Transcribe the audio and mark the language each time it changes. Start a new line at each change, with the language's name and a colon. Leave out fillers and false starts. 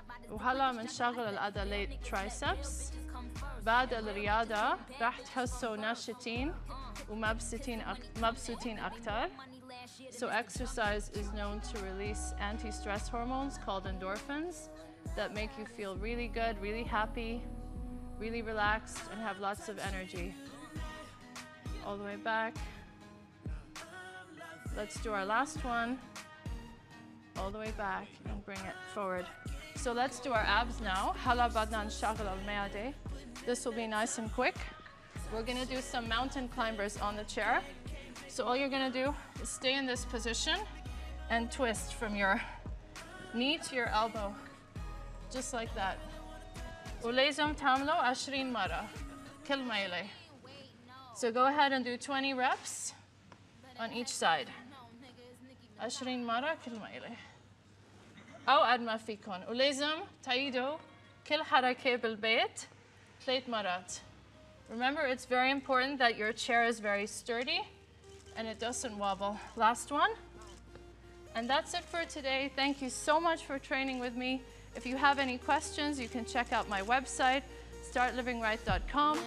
Arabic: وهلا منشغل العضلات triceps. بعد الرياضة راح تحسوا ناشطين ومبسوطين أكتر.
English: So exercise is known to release anti-stress hormones called endorphins that make you feel really good, really happy, really relaxed, and have lots of energy. All the way back. Let's do our last one. All the way back and bring it forward. So let's do our abs now.
Arabic: هلا بدنا نشغل المعدة.
English: This will be nice and quick. We're gonna do some mountain climbers on the chair. So all you're gonna do is stay in this position and twist from your knee to your elbow, just like that.
Arabic: ولازم تعملو 20 مرة كل ميلة.
English: So go ahead and do 20 reps on each side.
Arabic: 20 مرة كل ميلة. أو قد ما فيكن. ولازم تعيدو كل حركة بالبيت 3 مرات.
English: Remember, it's very important that your chair is very sturdy and it doesn't wobble. Last one. And that's it for today. Thank you so much for training with me. If you have any questions, you can check out my website, startlivingright.com.